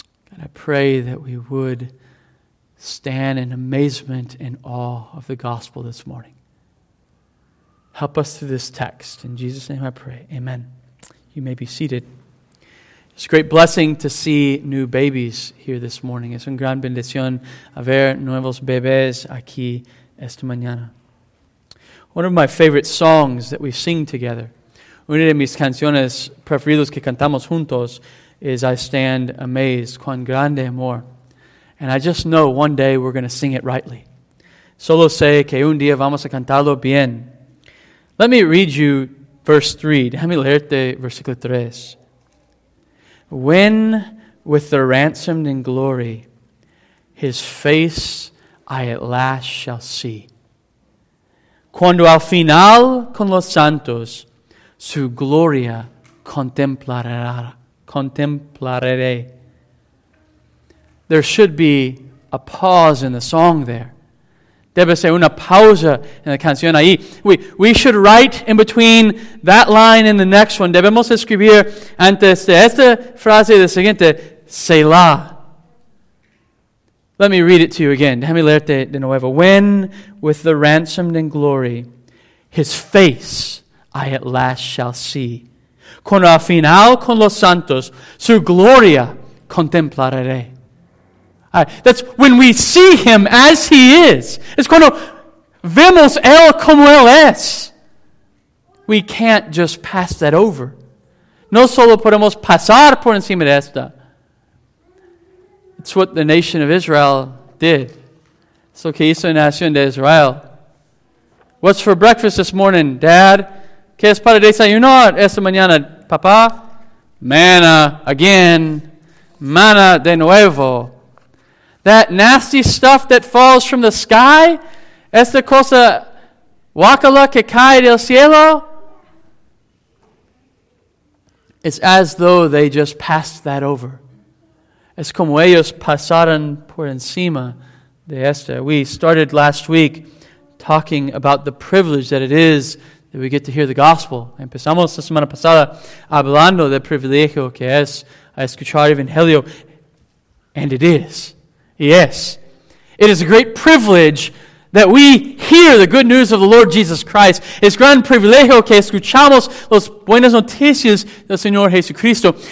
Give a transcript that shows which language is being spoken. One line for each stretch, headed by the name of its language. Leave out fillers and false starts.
English: God, I pray that we would stand in amazement and awe of the gospel this morning. Help us through this text. In Jesus' name I pray. Amen. You may be seated. It's a great blessing to see new babies here this morning.
Spanish: Es una gran bendición ver nuevos bebés aquí esta mañana.
English: One of my favorite songs that we sing together,
Spanish: una de mis canciones preferidas que cantamos juntos,
English: is I Stand Amazed, Cuán Grande Amor. And I just know one day we're going to sing it rightly.
Spanish: Solo sé que un día vamos a cantarlo bien.
English: Let me read you verse 3.
Spanish: Déjame leerte versículo 3.
English: When with the ransomed in glory, his face I at last shall see.
Spanish: Cuando al final con los santos, su gloria contemplaré.
English: There should be a pause in the song there.
Spanish: Debe ser una pausa en la canción ahí.
English: We should write in between that line and the next one.
Spanish: Debemos escribir antes de esta frase y la siguiente, Selah.
English: Let me read it to you again.
Spanish: Déjame leerte de nuevo.
English: When with the ransomed in glory, his face I at last shall see.
Spanish: Cuando al final con los santos, su gloria contemplaré.
English: Right. That's when we see him as he is.
Spanish: Es cuando vemos él como él es.
English: We can't just pass that over.
Spanish: No solo podemos pasar por encima de esta. It
English: That's what the nation of Israel did. So,
Spanish: ¿qué hizo nación de Israel?
English: What's for breakfast this morning, Dad?
Spanish: ¿Qué es para desayunar esta mañana, papá?
English: Manna again.
Spanish: Manna de nuevo.
English: That nasty stuff that falls from the sky?
Spanish: Esta cosa guacala que cae del cielo?
English: It's as though they just passed that over.
Spanish: Es como ellos pasaron por encima de esta.
English: We started last week talking about the privilege that it is that we get to hear the gospel.
Spanish: Empezamos la semana pasada hablando del privilegio que es a escuchar el evangelio.
English: And it is. Yes. It is a great privilege that we hear the good news of the Lord Jesus Christ.
Spanish: Es gran privilegio que escuchamos las buenas noticias del Señor Jesucristo.